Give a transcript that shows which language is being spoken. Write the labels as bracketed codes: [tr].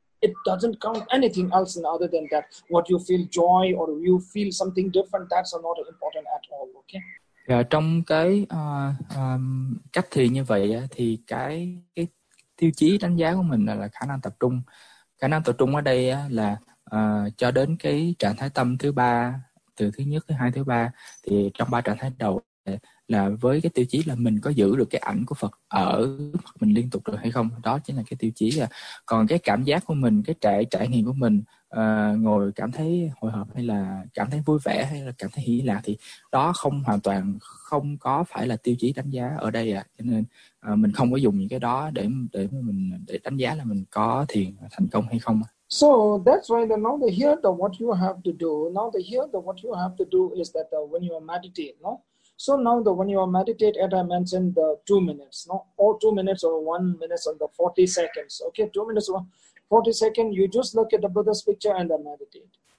[en] It doesn't count anything else other than that. What you feel joy or you feel something different, that's not important at all, okay? [vi] Và trong cái cách thì như vậy thì cái tiêu chí đánh giá của mình là khả năng tập trung. Khả năng tập trung ở đây là cho đến cái trạng thái tâm thứ ba, từ thứ nhất, thứ hai, thứ ba, thì trong ba trạng thái đầu là với cái tiêu chí là mình có giữ được cái ảnh của Phật ở mặt mình liên tục được hay không. Đó chính là cái tiêu chí. Còn cái cảm giác của mình, cái trải nghiệm của mình, ngồi cảm thấy hồi hộp hay là cảm thấy vui vẻ hay là cảm thấy hỷ lạc, thì đó không hoàn toàn không có phải là tiêu chí đánh giá ở đây à. Cho nên mình không có dùng những cái đó để đánh giá là mình có thiền thành công hay không. [en] So that's why the now the here the what you have to do now the here the what you have to do is that when you are meditate, no? So now the when you are meditate, as I mentioned, the 2 minutes, no, or 2 minutes or 1 minute on the 40 seconds, okay, 2 minutes or 40 seconds, you just look at the Buddha's picture and meditate.